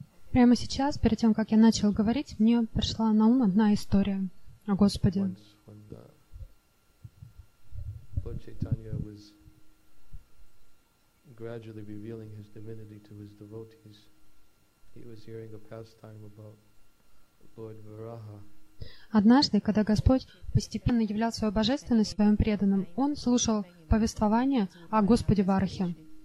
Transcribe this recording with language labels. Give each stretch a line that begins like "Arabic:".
Russian: Прямо сейчас, перед тем, как я начал говорить, мне пришла на ум одна история о Господе.
English: Once when Lord Chaitanya was gradually revealing his divinity to his devotees, he was hearing a pastime about Lord Varaha.
Russian: Однажды, когда Господь постепенно являл свою божественность своим преданным, он слушал повествование о Господе Варахе.